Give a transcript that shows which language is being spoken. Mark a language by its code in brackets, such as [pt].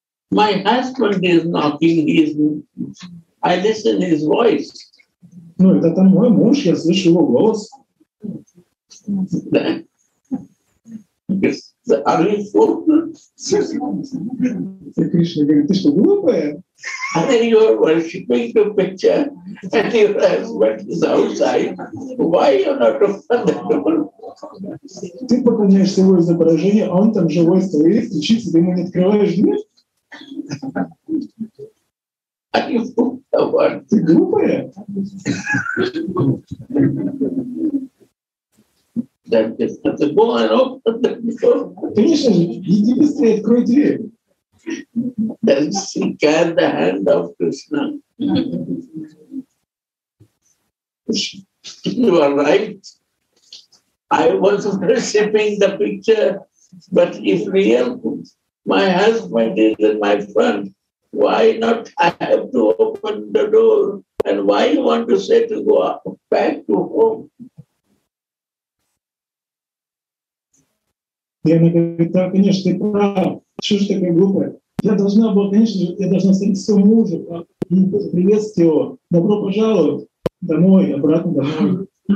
[en] My husband is knocking, he is... I listen his voice. [ru] Ну, это там мой муж, я слышу его голос. [en] Then, are you fool? [ru] Кришна говорит, ты что, глупая? [en] And then you are worshipping the picture and your husband is outside. Why you not open the door? [ru] Ты поклоняешься его изображению, а он там живой стоит, стучится, ты ему не открываешь дверь? [en] Are you fool? [ru] Ты глупая? [en] Then just let the door and open the door. [ru] Конечно же, иди быстрее, открой дверь. [en] Then she got the hand of Krishna. You are right. I was worshipping the picture, but if real, my husband is in my front, why not I have to open the door? And why you want to say to go back to home? [ru] И она говорит, да, конечно, ты прав. Что ж такая глупая? Я должна была, конечно же, я должна встретить своего мужа, приветствовать его. Добро пожаловать домой, обратно домой.